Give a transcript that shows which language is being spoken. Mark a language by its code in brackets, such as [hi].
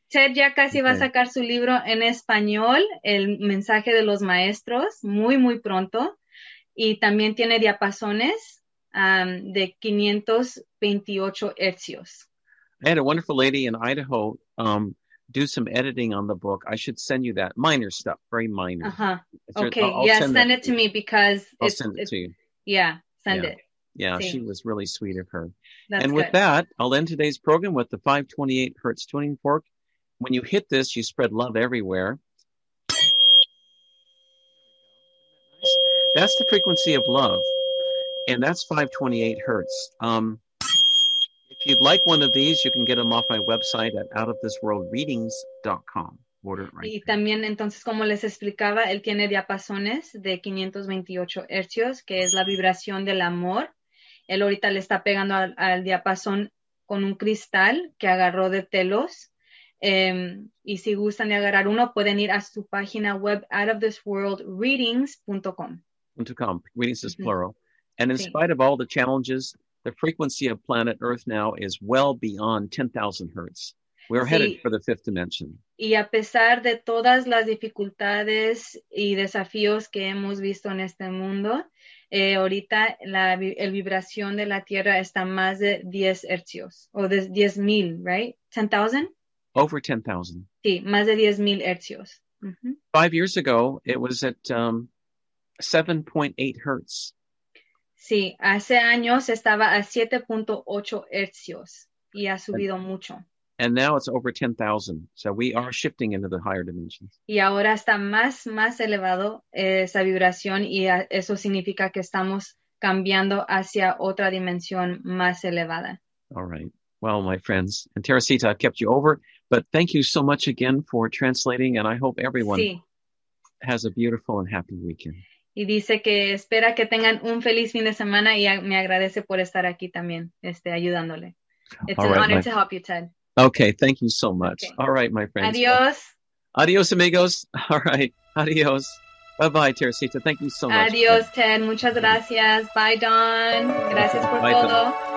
[es] Ted ya casi va a sacar su libro en español, El Mensaje de los Maestros, muy, muy pronto. Y también tiene diapasones de 528 hercios. [en] I had a wonderful lady in Idaho do some editing on the book. I should send you that. Minor stuff, very minor. Uh-huh. Okay, send it to me because... I'll send it to you. Yeah, send it. Yeah, see. She was really sweet of her. That's good. With that, I'll end today's program with the 528 Hertz tuning fork. When you hit this, you spread love everywhere. That's the frequency of love, and that's 528 Hertz. If you'd like one of these, you can get them off my website at outofthisworldreadings.com. Order it right. [es] Y también, entonces, como les explicaba, él tiene diapasones de 528 hercios, que es la vibración del amor. Él ahorita le está pegando al diapasón con un cristal que agarró de telos. Y si gustan de agarrar uno, pueden ir a su página web, outofthisworldreadings.com. [en] Readings is plural. And in spite of all the challenges, the frequency of planet Earth now is well beyond 10,000 hertz. We're headed for the fifth dimension. [es] Y a pesar de todas las dificultades y desafíos que hemos visto en este mundo, ahorita el vibración de la Tierra está más de 10 hercios, o de 10,000, [en] right? 10,000? Over 10,000. [es] Sí, más de 10,000 hercios. Mm-hmm. [en] 5 years ago, it was at 7.8 hertz. [es] Sí, hace años estaba a 7.8 hercios y ha subido mucho. [en] And now it's over 10,000. So we are shifting into the higher dimensions. [es] Y ahora está más elevado esa vibración y eso significa que estamos cambiando hacia otra dimensión más elevada. [en] All right. Well, my friends, and Teresita, I've kept you over, but thank you so much again for translating and I hope everyone has a beautiful and happy weekend. [es] Y dice que espera que tengan un feliz fin de semana y me agradece por estar aquí también, ayudándole. [en] It's an honor to help you, Ted. Okay, thank you so much. Okay. All right, my friends. [es] Adios. Adios, amigos. [en] All right, adios. Bye-bye, Teresita. Thank you so much. [es] Adios, Ted. Muchas gracias. [en] Bye, Don. [es] Gracias por [en] bye, [es] todo. [en] Don.